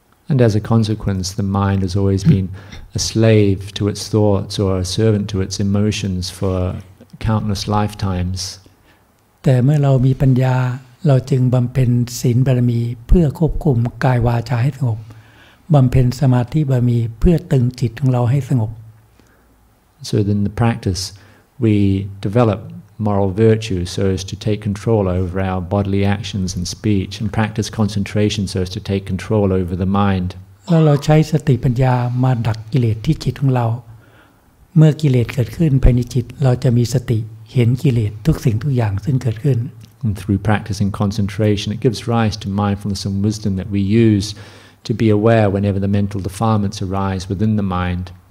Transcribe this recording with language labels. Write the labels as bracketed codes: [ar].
[en] And as a consequence, the mind has always been a slave to its thoughts or a servant to its emotions for countless lifetimes. [th] แต่เมื่อเรามีปัญญาเราจึงบำเพ็ญศีลบารมีเพื่อควบคุมกายวาจาให้สงบบำเพ็ญสมาธิบารมีเพื่อตึงจิตของเราให้สงบ [en] So then the practice we develop moral virtue so as to take control over our bodily actions and speech and practice concentration so as to take control over the mind [th] แล้วเราใช้สติปัญญามาดักกิเลสที่จิตของเราเมื่อกิเลสเกิดขึ้นภายในจิตเราจะมีสติเห็นกิเลสทุกสิ่งทุกอย่างซึ่งเกิดขึ้น [en] And through practicing concentration, it gives rise to mindfulness and wisdom that we use to be aware whenever the mental defilements arise within the mind.